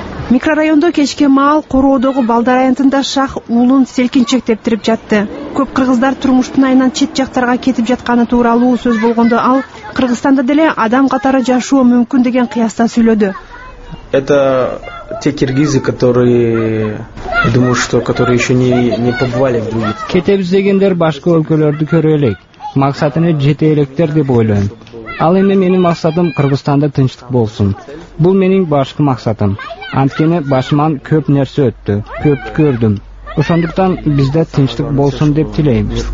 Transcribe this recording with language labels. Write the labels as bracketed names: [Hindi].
[Kyrgyz] Микрорайондо кечке маал короодогу балдар айынтында Шах уулун селкинчектептирип жатты. Көп кыргыздар турмуштун айынан чет жактарга кетип жатканы тууралуу сөз болгондо, ал Кыргызстанда деле адам катары жашоо мүмкүн деген кыяста сүйлөдү. [Russian] Это те киргизы, которые, думаю, что которые еще не побывали в других. [Kyrgyz] Кетебиз дегендер башка өлкөлөрдү көрө элек. Максатына жете электер деп ойлойм. Ал эми менин максатым Кыргызстанда тынчтык болсун. Бул менин башкы максатым. Анткени башыман көп нерсе өттү, көп көрдүм. Ошондуктан бизде тынчтык болсун деп тилейм.